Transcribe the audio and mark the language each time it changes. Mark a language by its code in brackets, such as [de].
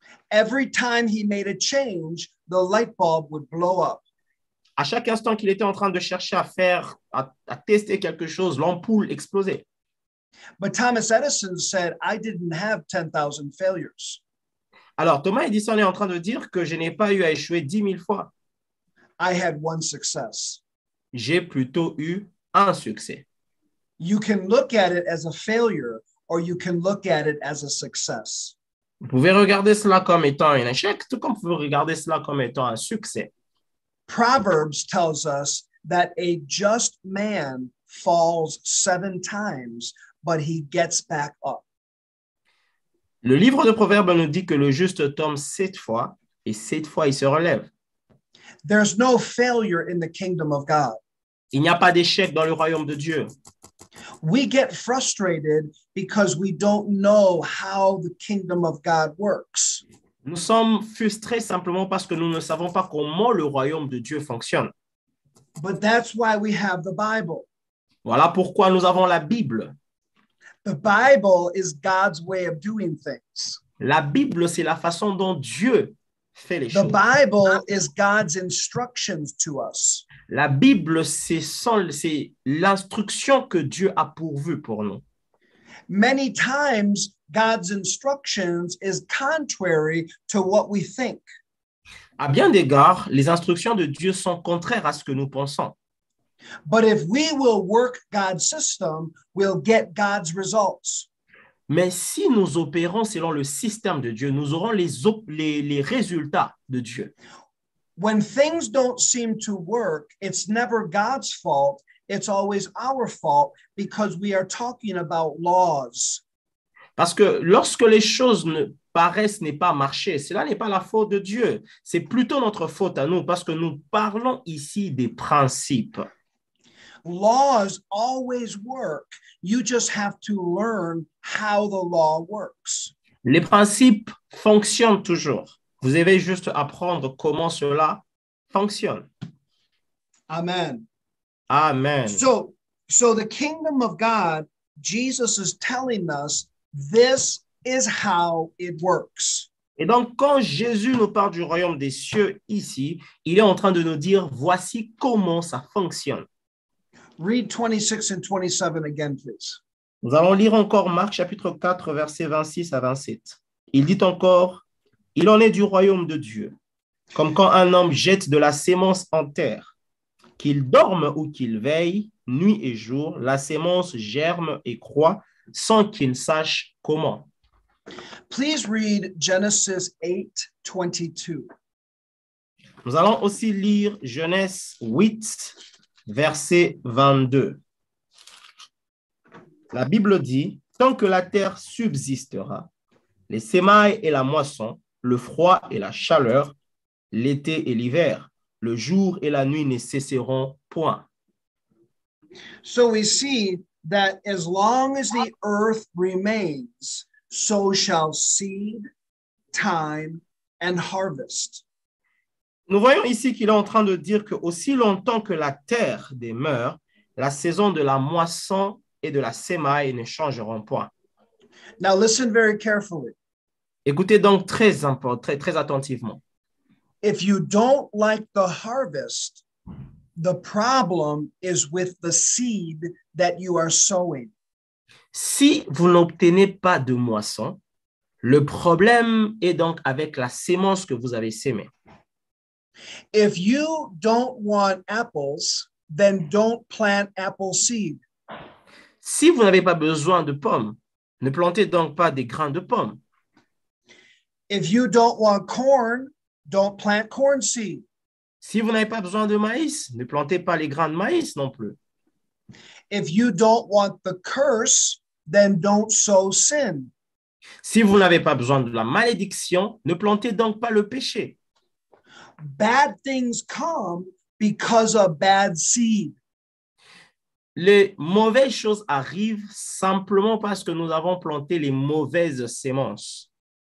[en] Every time he made a change, the light bulb would blow up. [fr] À chaque instant qu'il était en train de chercher à faire, à tester quelque chose, l'ampoule explosait. [en] But Thomas Edison said, I didn't have 10,000 failures. [fr] Alors, Thomas Edison est en train de dire que je n'ai pas eu à échouer 10 000 fois. [en] I had one success. [fr] J'ai plutôt eu un succès. [en] You can look at it as a failure, or you can look at it as a success. [fr] Vous pouvez regarder cela comme étant un échec, tout comme vous pouvez regarder cela comme étant un succès. [en] Proverbs tells us that a just man falls seven times, but he gets back up. [fr] Le livre de Proverbes nous dit que le juste tombe sept fois, et sept fois il se relève. [en] There's no failure in the kingdom of God. [fr] Il n'y a pas d'échec dans le royaume de Dieu. [en] We get frustrated because we don't know how the kingdom of God works. [fr] Nous sommes frustrés simplement parce que nous ne savons pas comment le royaume de Dieu fonctionne. [en] But that's why we have the Bible. [fr] Voilà pourquoi nous avons la Bible. [en] The Bible is God's way of doing things. [fr] La Bible, c'est la façon dont Dieu fait les [en] the [fr] choses. [en] Bible is God's instructions to us. [fr] La Bible, c'est l'instruction que Dieu a pourvue pour nous. [en] Many times, God's instructions is contrary to what we think. [fr] À bien des égards, les instructions de Dieu sont contraires à ce que nous pensons. [en] But if we will work God's system, we'll get God's results. [fr] Mais si nous opérons selon le système de Dieu, nous aurons les résultats de Dieu. [en] When things don't seem to work, it's never God's fault, it's always our fault, because we are talking about laws. [fr] Parce que lorsque les choses ne paraissent n'est pas marcher, cela n'est pas la faute de Dieu, c'est plutôt notre faute à nous, parce que nous parlons ici des principes. [en] Laws always work. You just have to learn how the law works. [fr] Les principes fonctionnent toujours. Vous devez juste apprendre comment cela fonctionne. [en] Amen. [fr] Amen. [en] So the kingdom of God, Jesus is telling us, this is how it works. [fr] Et donc, quand Jésus nous parle du royaume des cieux ici, il est en train de nous dire, voici comment ça fonctionne. [en] Read 26 and 27 again, please. [fr] Nous allons lire encore Marc, chapitre 4, versets 26 à 27. Il dit encore, il en est du royaume de Dieu, comme quand un homme jette de la semence en terre. Qu'il dorme ou qu'il veille, nuit et jour, la semence germe et croît sans qu'il sache comment. [en] Please read Genesis 8, 22. [fr] Nous allons aussi lire Genèse 8, verset 22. La Bible dit, tant que la terre subsistera, les semailles et la moisson, le froid et la chaleur, l'été et l'hiver, le jour et la nuit ne cesseront point. [en] So we see that as long as the earth remains, so shall seed, time, and harvest. [fr] Nous voyons ici qu'il est en train de dire que aussi longtemps que la terre demeure, la saison de la moisson et de la semaille ne changeront point. [en] Now listen very carefully. [fr] Écoutez donc très attentivement. [en] If you don't like the harvest, the problem is with the seed that you are sowing. [fr] Si vous n'obtenez pas de moisson, le problème est donc avec la semence que vous avez semée. [en] If you don't want apples, then don't plant apple seed. [fr] Si vous n'avez pas besoin de pommes, ne plantez donc pas des grains de pommes. [en] If you don't want corn, don't plant corn seed. [fr] Si vous n'avez pas besoin de maïs, ne plantez pas les grains de maïs non plus. [en] If you don't want the curse, then don't sow sin. [fr] Si vous n'avez pas besoin de la malédiction, ne plantez donc pas le péché. [en] Bad things come because of bad seed. [fr] Les mauvaises choses arrivent simplement parce que nous avons planté les mauvaises semences.